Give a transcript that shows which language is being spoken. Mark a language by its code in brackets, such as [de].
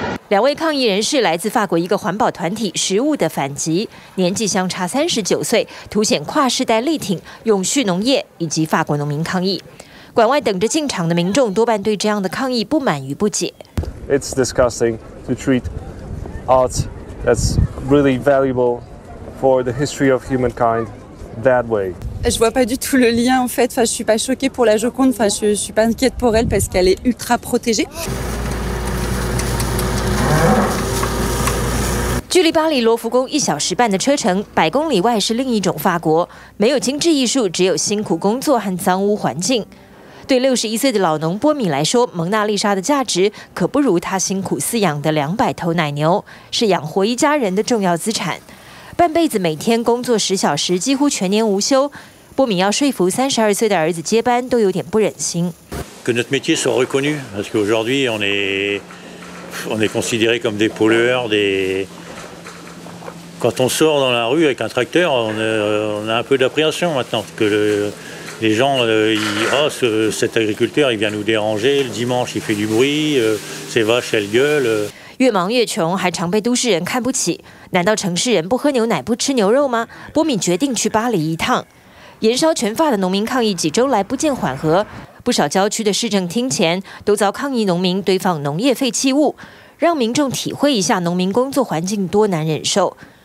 [zh] 两位抗议人士来自法国一个环保团体“食物的反击”，年纪相差39岁，凸显跨世代力挺永续农业以及法国农民抗议。馆外等着进场的民众多半对这样的抗议不满与不解。 [en] It's disgusting to treat art that's really valuable for the history of humankind that way. [fr] Je vois pas du tout le lien en fait. Enfin, je suis pas choquée pour la Joconde. Enfin, je suis pas inquiète pour elle parce qu'elle est ultra protégée. [zh] 距离巴黎罗浮宫一小时半的车程，百公里外是另一种法国，没有精致艺术，只有辛苦工作和脏污环境。对61岁的老农波米来说，蒙娜丽莎的价值可不如他辛苦饲养的200头奶牛，是养活一家人的重要资产。半辈子每天工作10小时，几乎全年无休，波米要说服32岁的儿子接班，都有点不忍心。 [fr] Que notre métier soit reconnu, parce qu'aujourd'hui on est considéré comme des pollueurs, des... Quand on sort dans la rue avec un tracteur, on a un peu d'appréhension maintenant. Que les gens, cet agriculteur, il vient nous déranger. Le dimanche, il fait du bruit. Ses vaches, elles gueulent. [zh] 越忙越穷，还常被都市人看不起。难道城市人不喝牛奶、不吃牛肉吗？波敏决定去巴黎一趟。燃烧全法的农民抗议几周来不见缓和，不少郊区的市政厅前都遭抗议农民堆放农业废弃物，让民众体会一下农民工作环境多难忍受。